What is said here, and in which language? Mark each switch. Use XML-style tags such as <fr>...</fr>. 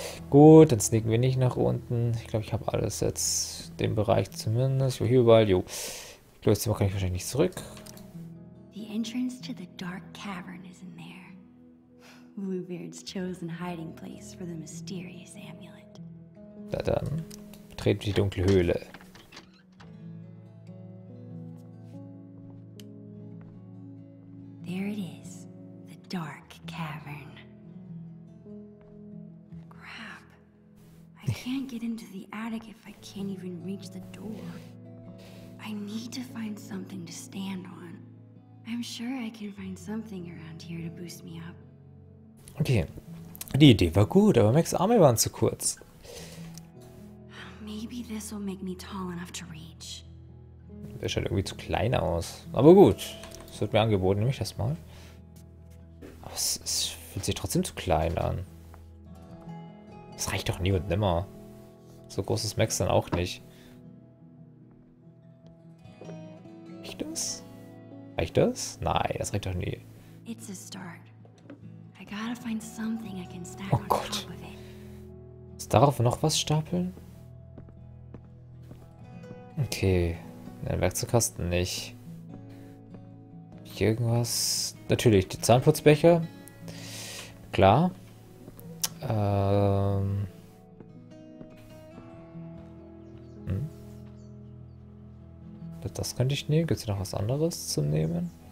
<de>Gut, dann sneaken wir nicht nach unten. Ich glaube, ich habe alles jetzt, den Bereich zumindest. Ich war hier überall, jo. Ich glaube, jetzt kann ich wahrscheinlich nicht zurück.</de> <en>The entrance to the dark cavern is in there. Bluebeard's chosen hiding place for the mysterious amulet.</en> <de>Na dann, betreten wir die dunkle Höhle.</de> <en>There it is, the dark cavern. Crap. I can't get into the attic if I can't even reach the door. I need to find something to stand on. I'm sure I can find something around here to boost me up.</en> <de>Okay, die Idee war gut, aber Max' Arme waren zu kurz.</de> <en>Maybe this will make me tall enough to reach.</en> <de>Der schaut irgendwie zu klein aus, aber gut. Es wird mir angeboten, nehme ich das mal. Aber es fühlt sich trotzdem zu klein an. Das reicht doch nie und nimmer. So groß ist Max dann auch nicht. Reicht das? Reicht das? Nein, das reicht doch nie.</de> <en>It's a start. I gotta find something I can stack on top of it.</en> <de>Ist darauf noch was stapeln? Okay. Nein, Werkzeugkasten nicht. Irgendwas. Natürlich, die Zahnputzbecher. Klar. Das könnte ich nehmen. Gibt es hier noch was anderes zu nehmen?</de>